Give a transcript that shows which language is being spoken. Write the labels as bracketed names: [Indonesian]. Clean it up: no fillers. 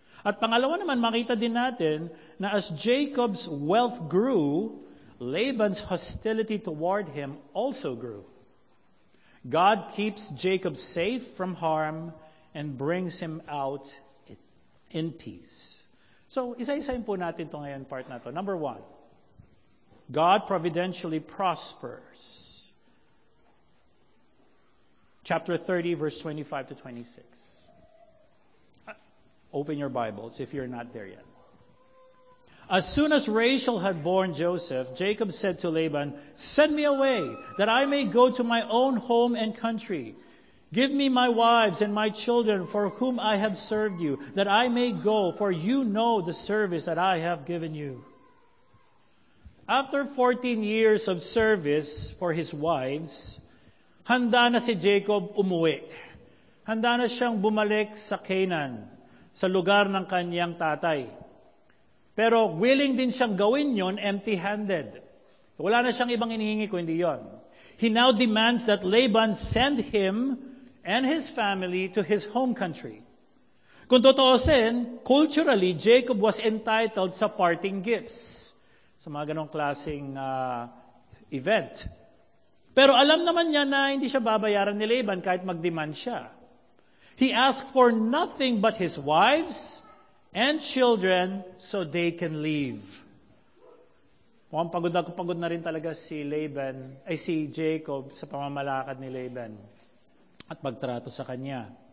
[Filipino] At pangalawa naman, makita din natin na [English] as Jacob's wealth grew, Laban's hostility toward him also grew. God keeps Jacob safe from harm and brings him out in peace. [Filipino] So, isa-isayin po natin ito ngayon, part na ito. [English] Number one, God providentially prospers. Chapter 30, verse 25 to 26. Open your Bibles if you're not there yet. As soon as Rachel had born Joseph, Jacob said to Laban, "Send me away, that I may go to my own home and country. Give me my wives and my children for whom I have served you, that I may go, for you know the service that I have given you." After 14 years of service for his wives, [Filipino] handa na si Jacob umuwi. Handa na siyang bumalik sa Canaan, sa lugar ng kanyang tatay. Pero willing din siyang gawin yon empty-handed. Wala na siyang ibang inihingi kundi yon. [English] He now demands that Laban send him and his family to his home country. [Filipino] Kung totoosin, [English] culturally, Jacob was entitled sa parting gifts, [Filipino] sa mga ganong klaseng [English] event. [Filipino] Pero alam naman niya na hindi siya babayaran ni Laban kahit mag-demand siya. [English] He asked for nothing but his wives and children so they can leave. [Filipino] Mukhang pagod na rin talaga si Laban, ay si Jacob sa pamamalakad ni Laban at magtrato sa kanya.